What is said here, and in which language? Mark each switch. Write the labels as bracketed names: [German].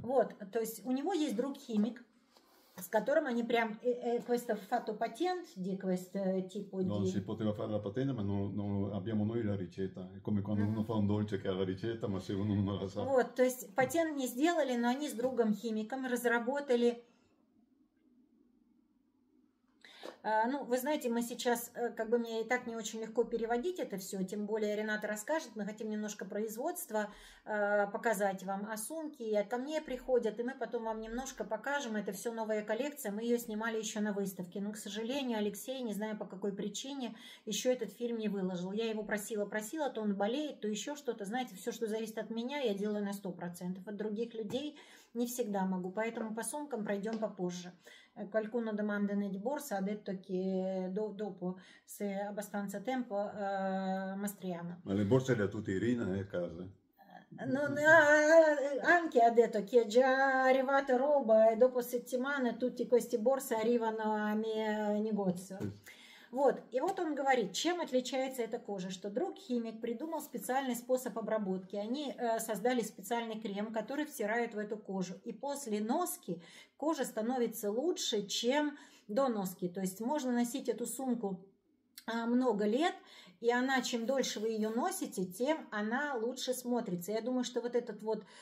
[Russian] Вот, то есть у него есть друг химик, с которым они прям [Italian] questo fatto patent di questo tipo di. No, si poteva fare la patente, ma non abbiamo noi la ricetta. È come quando uno fa un dolce che ha la ricetta, ma se uno non la sa. [Russian] Вот, то есть патент не сделали, но они с другом химиком разработали. Ну, вы знаете, мы сейчас, как бы мне и так не очень легко переводить это все, тем более Рената расскажет, мы хотим немножко производства показать вам, а сумки ко мне приходят, и мы потом вам немножко покажем, это все новая коллекция, мы ее снимали еще на выставке, но, к сожалению, Алексей, не знаю по какой причине, еще этот фильм не выложил, я его просила, то он болеет, то еще что-то, знаете, все, что зависит от меня, я делаю на 100%, от других людей не всегда могу, поэтому по сумкам пройдем попозже. [Italian] Qualcuno domanda nel borsa, ha detto che dopo, se abbastanza tempo, mostriamo. Ma le borse le ha tutte Irina a casa? Non, anche ha detto che è già arrivata roba e dopo settimane tutte queste borse arrivano a mio negozio. [Russian] Вот, и вот он говорит, чем отличается эта кожа, что друг-химик придумал специальный способ обработки, они создали специальный крем, который втирают в эту кожу, и после носки кожа становится лучше, чем до носки, то есть можно носить эту сумку много лет, и она, чем дольше вы ее носите, тем она лучше смотрится. Я думаю, что вот этот вот